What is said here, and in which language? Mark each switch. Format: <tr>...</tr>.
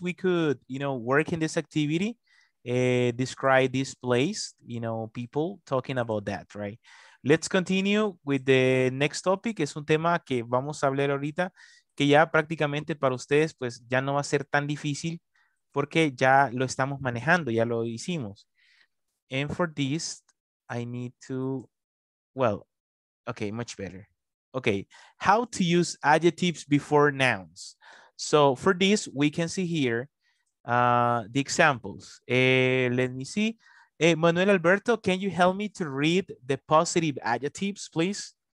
<en>We could, you know, work in this activity. Describe this place, you know, people talking about that, right? Let's continue with the next topic.</en> <es>Es un tema que vamos a hablar ahorita, que ya prácticamente para ustedes, pues ya no va a ser tan difícil porque ya lo estamos manejando, ya lo hicimos.</es> <en>And for this, I need to, well, okay, much better. Okay, how to use adjectives before nouns. So for this, we can see here, the examples. Let me see. Manuel Alberto, can you help me to read the positive adjectives, please?</en>